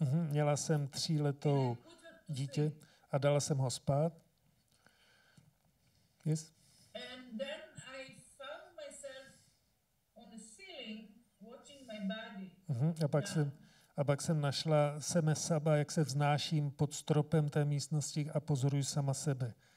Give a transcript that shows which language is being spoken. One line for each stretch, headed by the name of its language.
Czech: Měla jsem 3letou dítě a dala jsem ho spát.
English: Yes. And then I found myself on the ceiling watching my body.
Czech: A pak jsem našla sebe sama, jak se vznáším pod stropem té místnosti a pozoruji sama sebe.